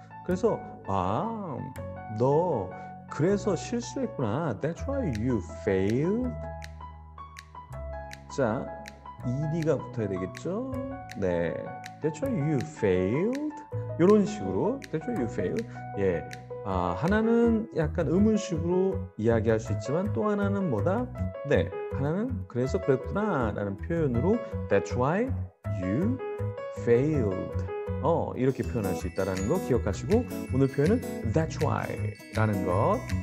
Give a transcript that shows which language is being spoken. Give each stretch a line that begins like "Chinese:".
Korean: 그래서 아, 너 그래서 실수했구나.
English: That's why you failed.
Korean: 자, ED가 붙어야 되겠죠.
English: 네, That's why you failed. 이런 식으로 That's why you failed.
Korean: 예, 아, 하나는 약간 의문식으로 이야기할 수 있지만 또 하나는 뭐다? 네, 하나는 그래서 그랬구나라는 표현으로
English: That's why you failed.
Korean: 이렇게 표현할 수 있다라는 거 기억하시고 오늘 표현은 That's why라는 것.